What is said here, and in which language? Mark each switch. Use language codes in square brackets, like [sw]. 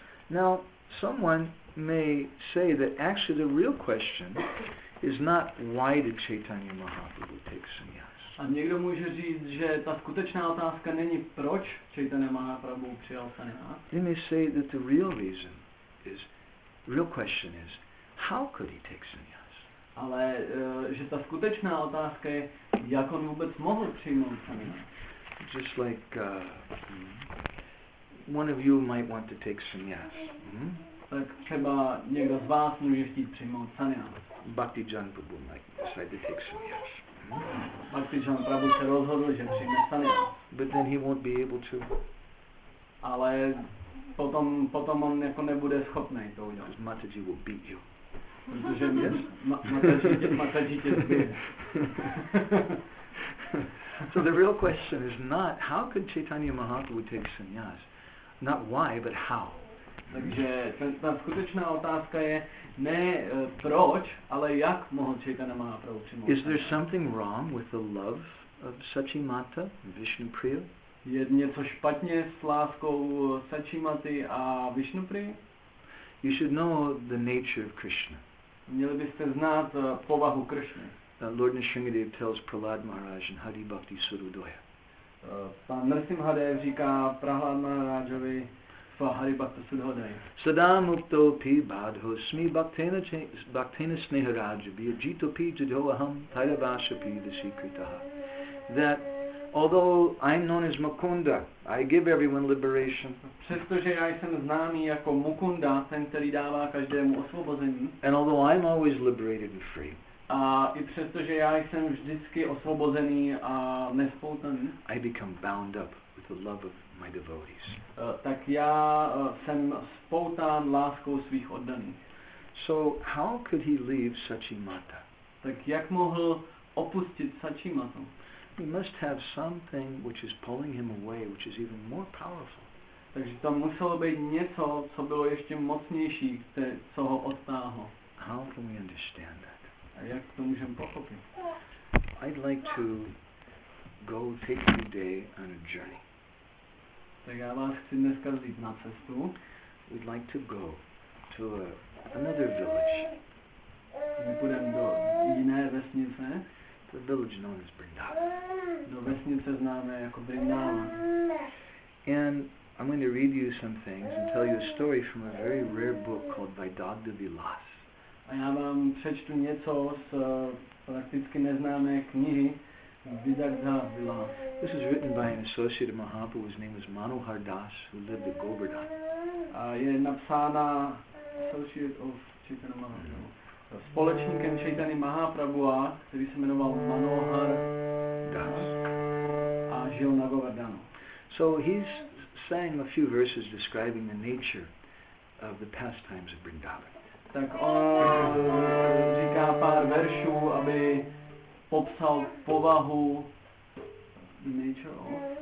[en] Now someone may say that actually the real question is not why did Chaitanya Mahaprabhu take sannyas. [cs] A někdo může říct, že ta skutečná otázka není proč Chaitanya Mahaprabhu přijal sannyas. [en] They may say that the real reason is, real question is, how could he take sannyas? [cs] Ale že ta skutečná otázka je, jak on vůbec mohl přijmout sannyas. [en] Just like one of you might want to take sannyas. [cs] Tak třeba někdo z vás může chtít přijmout sannyas. [en] Bhaktijan Prabhu might decide to take sannyas. [cs] Bhaktijan Prabhu se rozhodl, že přijme sannyas. [en] But then he won't be able to. [cs] Ale potom on jako nebude schopný to udělat. [en] Because Mataji will beat you. [cs] Protože Mataji tě zbije. [en] So the real question is not how could Chaitanya Mahaprabhu take sannyas. Not why, but how. [cs] Takže ta skutečná otázka je ne proč, ale jak mohl Chaitanya Mahaprabhu přijmout. [en] Is there something wrong with the love of Sachimata, Vishnupriya? [cs] Je něco špatně s láskou Sachimati a Vishnupriya? [en] You should know the nature of Krishna. [cs] Měli byste znát povahu Krishna. [en] Lord Nisringadev tells Prahlad Maharaj in Hari Bhakti Surudoya. [cs] Pan Narsimhadev říká Prahlad Maharajovi v Hari Bhakta Sudhodaya. [sa] Sadam uktopi badho smi bhaktena sneharaja vyajito pi jadho aham tairabhasha pi vishikritaha. [en] That although I'm known as Mukunda, I give everyone liberation. [cs] Přestože já jsem známý jako Mukunda, ten, který dává každému osvobození. [en] And although I'm always liberated and free. [cs] A i přesto, že já jsem vždycky osvobozený a nespoutaný, [en] I become bound up with the love of my devotees. [cs] Tak já jsem spoután láskou svých oddaných. [en] So how could he leave Sachimata? [cs] Tak jak mohl opustit Sachimatu? [en] He must have something which is pulling him away, which is even more powerful. [cs] Takže tam muselo být něco, co bylo ještě mocnější, co ho odtáhlo. [en] How can we understand that? [cs] A jak to můžeme pochopit? [en] I'd like to go take you today on a journey. [cs] Tak já vás chci dneska vzít na cestu. [en] We'd like to go to another village. [cs] My půjdeme do jiné vesnice. [en] The village known as Vrindavan. [cs] Do vesnice známé jako Vrindavan. [en] And I'm going to read you some things and tell you a story from a very rare book called Vaidagya Vilas. [cs] A já vám přečtu něco z prakticky neznámé knihy Vaidagya Vilas. [en] This is written by an associate of Mahaprabhu whose name was Manohar Das, who lived at Govardhan. [cs] Je napsána [en] associate of Chaitanya Mahaprabhu. [cs] Společníkem Chaitany Mahaprabhu, který se jmenoval Manohar Das. A žil na Govardhanu. [en] So he's saying a few verses describing the nature of the pastimes of Vrindavan. [cs] Tak on říká pár veršů, aby popsal povahu [en] nature of